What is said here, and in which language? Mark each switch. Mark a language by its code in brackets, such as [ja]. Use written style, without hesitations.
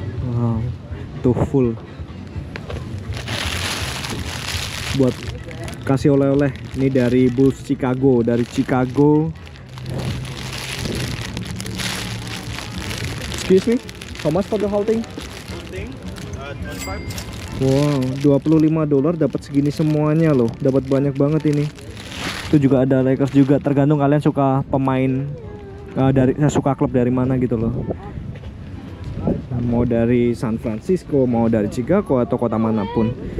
[id] Wow, tuh full buat kasih oleh-oleh. Ini dari Bulls Chicago, dari Chicago. [en] Excuse me, how much for the whole thing? [id] Wow, $25 dapat segini semuanya loh, dapat banyak banget ini. Itu juga ada Lakers juga, tergantung kalian suka pemain dari suka klub dari mana gitu loh. Mau dari San Francisco, mau dari Chicago atau kota manapun.